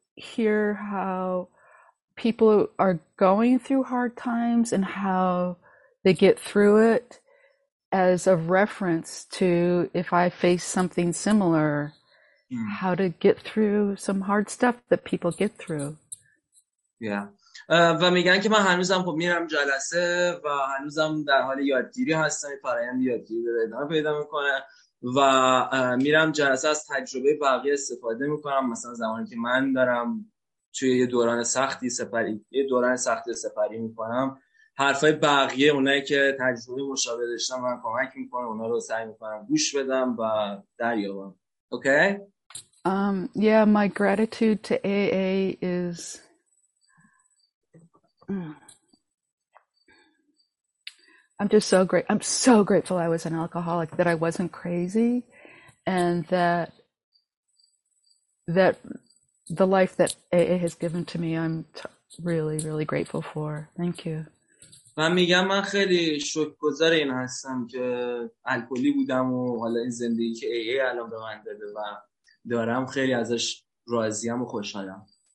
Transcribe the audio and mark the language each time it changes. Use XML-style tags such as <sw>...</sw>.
<en>hear how people are going through hard times and how they get through it as a reference to if I face something similar, how to get through some hard stuff that people get through. Yeah.</en> <fa>و میگن که من هنوزم خب میرم جلسه و هنوزم در حال یادگیری هستم، فرآیند یادگیری رو ادامه پیدا میکنه و میرم جلسه از تجربه بقیه استفاده میکنم، مثلا زمانی که من دارم توی یه دوران سختی سپری میکنم، حرفای بقیه اونایی که تجربه مشابه داشتن من کمک میکنه، اونا رو سعی میکنم گوش بدم و دریابم.</fa> <en>Okay. Yeah, my gratitude to AA is I'm just so great. I'm so grateful I was an alcoholic, that I wasn't crazy, and that the life that AA has given to me, I'm really, really grateful for. Thank you.</en> <fa>من میگم من خیلی شکرگزار این هستم که الکلی بودم و حالا این زندگی که AA الان به من داده و دارم خیلی ازش راضیم و خوشحالم.</fa>